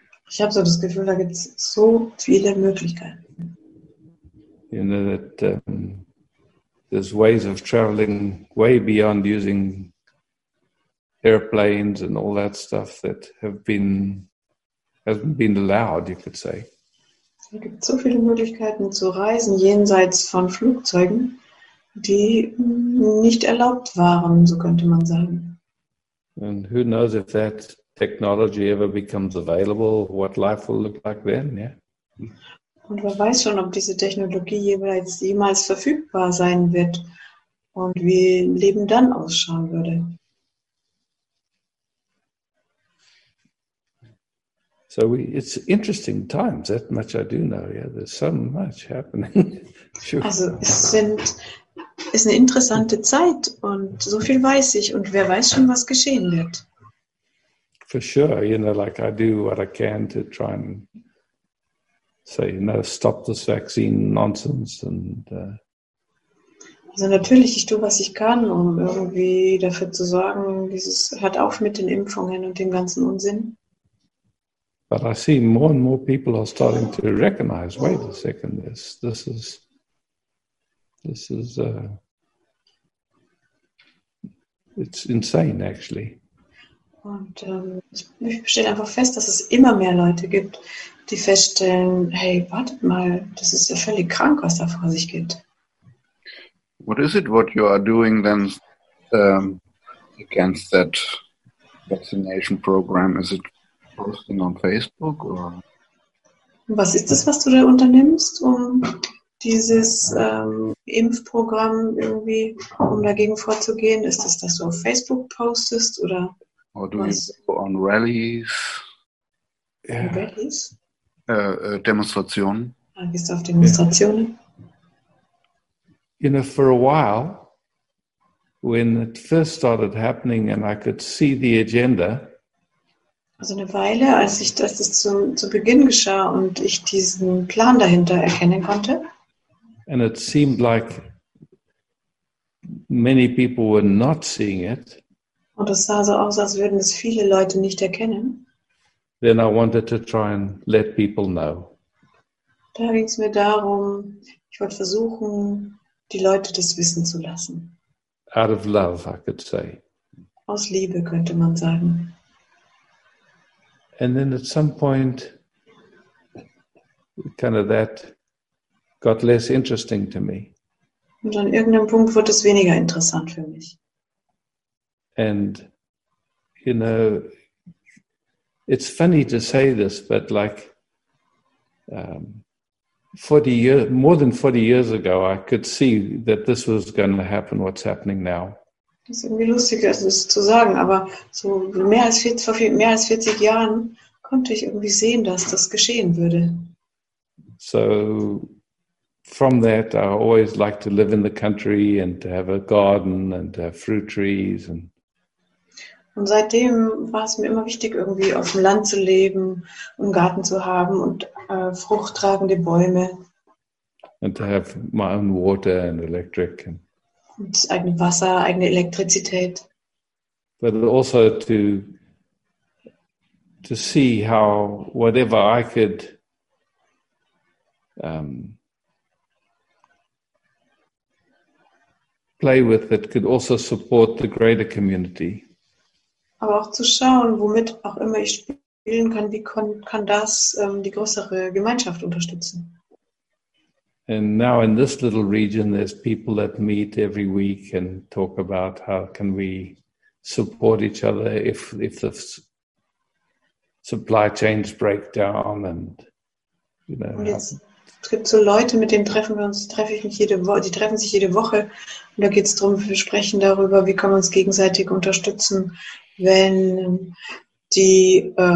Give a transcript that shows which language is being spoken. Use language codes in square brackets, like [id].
[de] Ich habe so das Gefühl, da gibt's so viele Möglichkeiten. [en] You know that there's ways of traveling way beyond using airplanes and all that stuff that hasn't been allowed, you could say. [de] Es gibt so viele Möglichkeiten zu reisen jenseits von Flugzeugen, die nicht erlaubt waren, so könnte man sagen. [en] And who knows if that technology ever becomes available, what life will look like then, yeah? [de] Und wer weiß schon, ob diese Technologie jemals verfügbar sein wird und wie Leben dann ausschauen würde. [en] So it's interesting times, that much I do know. Yeah, there's so much happening. Sure. [de] Also ist eine interessante Zeit und so viel weiß ich und wer weiß schon, was geschehen wird. [en] For sure, you know, like I do what I can to try and say, you know, stop this vaccine nonsense and [de] also natürlich, ich tue, was ich kann, um irgendwie dafür zu sorgen, dieses hört auf mit den Impfungen und dem ganzen Unsinn. [en] But I see more and more people are starting to recognize, wait a second, it's insane actually. [de] Und ich stelle einfach fest, dass es immer mehr Leute gibt, die feststellen, hey, wartet mal, das ist ja völlig krank, was da vor sich geht. [en] What is it what you are doing then against that vaccination program? Is it posting on Facebook or? [de] Was ist das, was du da unternimmst, um dieses Impfprogramm irgendwie, um dagegen vorzugehen? Ist das, dass du auf Facebook postest oder? [en] Or do was? You go on rallies? Yeah. Rallies? [de] Demonstrationen. Gehst du auf Demonstrationen? [en] You know, for a while, when it first started happening and I could see the agenda. [de] Also eine Weile, als ich das zu Beginn geschah und ich diesen Plan dahinter erkennen konnte. [en] And it seemed like many people were not seeing it. [de] Und es sah so aus, als würden es viele Leute nicht erkennen. [en] Then I wanted to try and let people know. [de] Da ging es mir darum, ich wollte versuchen, die Leute das wissen zu lassen. [en] Out of love, I could say. [de] Aus Liebe, könnte man sagen. [en] And then at some point, kind of that got less interesting to me. [de] Und an irgendeinem Punkt wurde es weniger interessant für mich. [en] And, you know, it's funny to say this, but like more than 40 years ago, I could see that this was going to happen, what's happening now. [de] Das ist irgendwie lustig, also das zu sagen, aber so mehr als 40 Jahren konnte ich irgendwie sehen, dass das geschehen würde. [en] So, from that, I always like to live in the country and to have a garden and to have fruit trees and. [de] Und seitdem war es mir immer wichtig, irgendwie auf dem Land zu leben, einen Garten zu haben und fruchttragende Bäume. [en] And to have my own water and electric. [de] Und eigene Wasser, eigene Elektrizität. [en] But also to see how whatever I could play with that could also support the greater community. [de] Aber auch zu schauen, womit auch immer ich spielen kann, wie kann das die größere Gemeinschaft unterstützen. [en] And now in this little region there's people that meet every week and talk about how can we support each other if the supply chains break down and you know. [de] Und jetzt gibt's so Leute, mit denen treffen sich jede Woche und da geht's drum, wir sprechen darüber, wie können wir uns gegenseitig unterstützen, wenn die